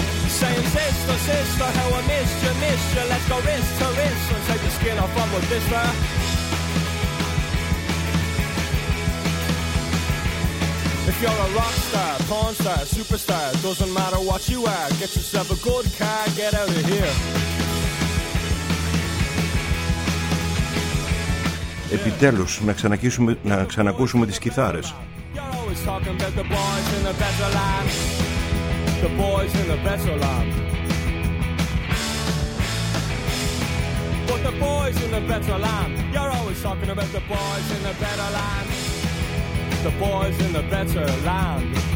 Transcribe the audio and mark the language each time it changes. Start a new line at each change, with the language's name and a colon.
English: Saying, sister, sister, how I missed you, let's go wrist to wrist and take the skin off of a blister. If you're a rock star, porn star, superstar, doesn't matter what you are, get yourself a good car, get out of here.
Greek: Επιτέλους, να ξανακούσουμε τις κιθάρες.
English: You're always talking about the boys in the better land. The boys in the better land. But the boys in the better land. You're always talking about the boys in the better land. The boys in the better land.